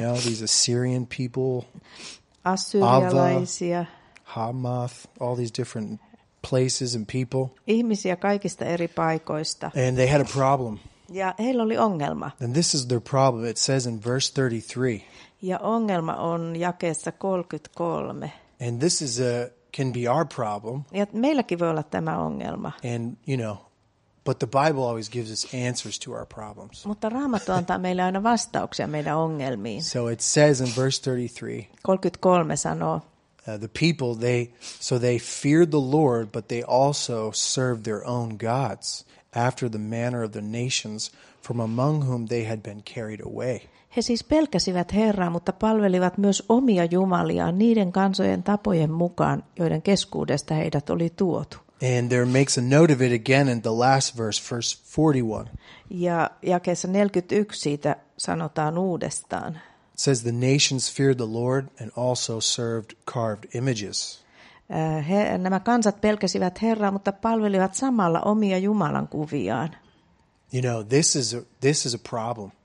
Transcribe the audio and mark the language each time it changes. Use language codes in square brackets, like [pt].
[en] You know, these Assyrian people. [fi] Assyrialaisia. [en] Hamath, all these different places and people. [fi] Ihmisiä kaikista eri paikoista. [en] And they had a problem. [fi] Ja heillä oli ongelma. [en] And this is their problem. It says in verse 33. [fi] Ja ongelma on jakeessa 33. [en] And this is can be our problem. [fi] Ja meilläkin voi olla tämä ongelma. [en] And you know, but the Bible always gives us answers to our problems. [fi] Mutta Raamattu antaa meille aina vastauksia meidän ongelmiin. [en] So it says in verse 33. [fi] 33 sanoo. [en] The people, they feared the Lord, but they also served their own gods after the manner of the nations from among whom they had been carried away. [fi] He siis pelkäsivät Herraa, mutta palvelivat myös omia jumaliaan niiden kansojen tapojen mukaan, joiden keskuudesta heidät oli tuotu. [en] And there makes a note of it again in the last verse, verse 41. [fi] Ja jakeessa 41 siitä sanotaan uudestaan. [en] It says the nations feared the Lord and also served carved images. [fi] Nämä kansat pelkäsivät Herraa, mutta palvelivat samalla omia jumalan kuviaan. [en] You know, this is a problem.